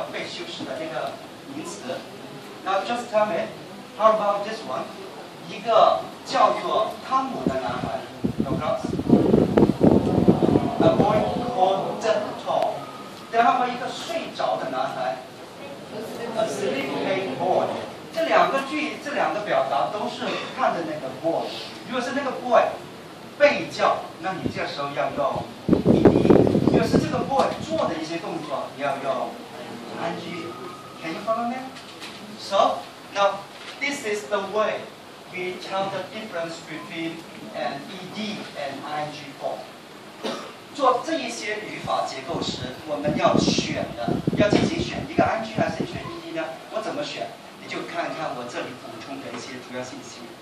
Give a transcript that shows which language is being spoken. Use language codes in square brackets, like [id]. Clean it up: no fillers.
[zh] 我是做一个所谓的定语，我们就要看一看它所谓要被修饰的那个名词。 [en] Now just tell me, how about this one? [zh] 一个叫做汤姆的男孩 [en] No class. A boy called Tom. [zh] 然后一个睡着的男孩 [en] A sleeping boy. [zh] 这两个表达都是看着那个 boy。如果是那个 boy 被叫，那你这时候要用 ED。如果是这个 boy 做的一些动作，你要用 ing。 [en] Can you follow me? So now this is the way we tell the difference between an ED and ing form. [zh] 做这一些语法结构时，我们要选的，要进行选一个 ing 还是选 ED 呢？我怎么选？你就看看我这里补充的一些主要信息。